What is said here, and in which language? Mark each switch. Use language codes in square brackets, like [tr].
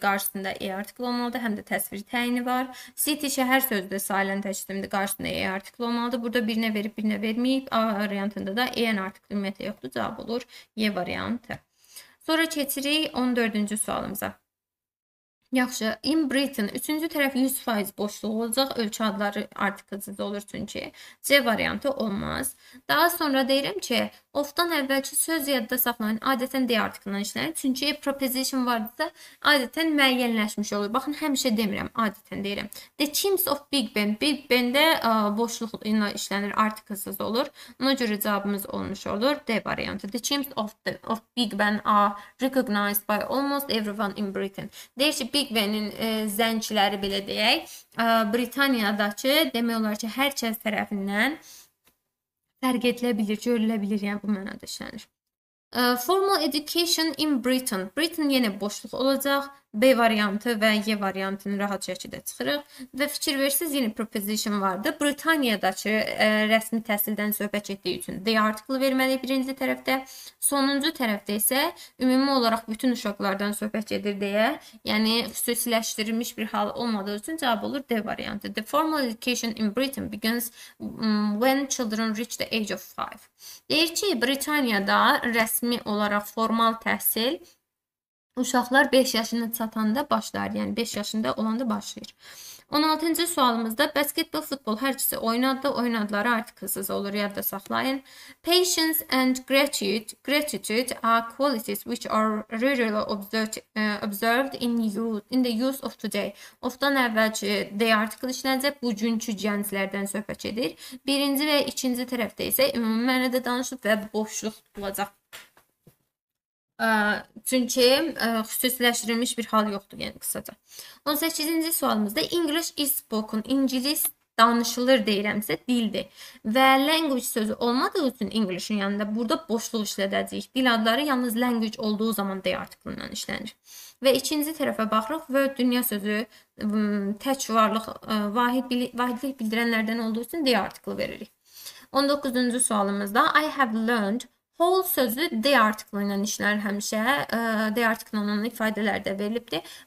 [az] Qarşısında E artikl olmalıdır. Həm də təsvir təyini var. City şəhər sözü də sayılan tək isimdir. Qarşısında E artikl olmalıdır. Burada birinə verib, birinə verməyib. A variantında da EN artikl ümumiyyətlə yoxdur. Cavab olur E variantı. Sonra keçirik 14-cü sualımıza. Yaxşı, [en] in Britain [az] 3-cü tərəf 100% boşluq olacaq. Ölkə adları artıqlısız olur çünki C variantı olmaz. Daha sonra deyirəm ki, ofdan əvvəlki söz yadda saxlayın. Adətən D artıqlından işlənir. Çünki preposition vardırsa adətən müəyyənləşmiş olur. Baxın, həmişə demirəm, adətən deyirəm. [en] The chimes of Big Ben. [az] Big Ben-də boşluqla işlənir, artıqlısız olur. Ona görə cavabımız olmuş olur D variantı. [en] The chimes of Big Ben are recognized by almost everyone in Britain. [az] Deyir ki, Big Ben'in zənciləri belə deyək, Britaniyadakı demək olar ki, hər kəs tərəfindən fərq edilə bilir, görülə bilir, yəni bu mənada işlənir. [en] Formal education in Britain. [az] Britain yenə boşluq olacaq. B variantı və E variantını rahat şəkildə çıxırıq. Və fikir versiniz, yeni preposition vardır. Britaniyadakı rəsmi təhsildən söhbət etdiyi üçün D artıqlı verməliyik birinci tərəfdə. Sonuncu tərəfdə isə ümumi olaraq bütün uşaqlardan söhbət edir deyə, yəni xüsusiləşdirilmiş bir hal olmadığı üçün cavab olur D variantı. [en] The formal education in Britain begins when children reach the age of 5. [az] Deyir ki, Britaniyada rəsmi olaraq formal təhsil uşaqlar 5 yaşına çatanda başlar, yəni 5 yaşında olanda başlayır. 16-cı sualımızda basketbol, futbol hər ikisi oyun adı, oyun adları artıqsız olur, yadda saxlayın. [en] Patience and gratitude are qualities which are rarely observed in youth, in the youth of today. [az] Ofdan əvvəlcə D artıqlı işlənəcək, bugünkü gənclərdən söhbət edir. Birinci və ikinci tərəfdə isə ümumi mənədə danışıb və boşluq olacaq. Çünki xüsusiləşdirilmiş bir hal yoxdur, yəni qısaca. 18-ci sualımızda [en] English is spoken, [az] ingilis danışılır deyirəmsə dildir. Və language sözü olmadığı üçün English-in yanında burada boşluq işlədəcəyik. Dil adları yalnız language olduğu zaman D artıqlından işlənir. Və ikinci tərəfə baxırıq və dünya sözü tək varlıq, vahidlik bildirənlərdən olduğu üçün D artıqlı veririk. 19-cu sualımızda [en] I have learned. [az] Whole sözü D artıqlı ilə işlər həmişə, D artıqlı ilə ifadələrdə verilibdir.